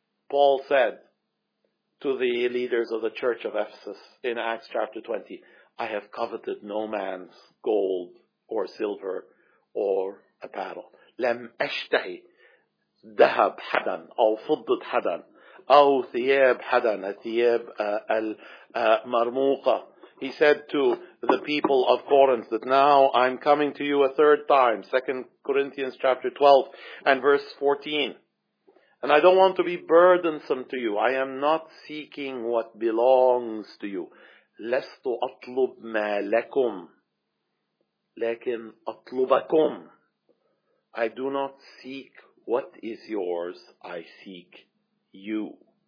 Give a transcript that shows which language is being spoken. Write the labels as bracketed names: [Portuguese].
[English] Paul said to the leaders of the church of Ephesus in Acts chapter 20, I have coveted no man's gold or silver or apparel. [Arabic] لم أشتهي ذهب حدا أو فضة حدا أو ثياب حدا الثياب المرموقة. [English] He said to the people of Corinth that now I'm coming to you a third time. 2 Corinthians chapter 12 and verse 14. And I don't want to be burdensome to you. I am not seeking what belongs to you. [Arabic] لست أطلب ما لكم لكن أطلبكم. [English] I do not seek what is yours, I seek you.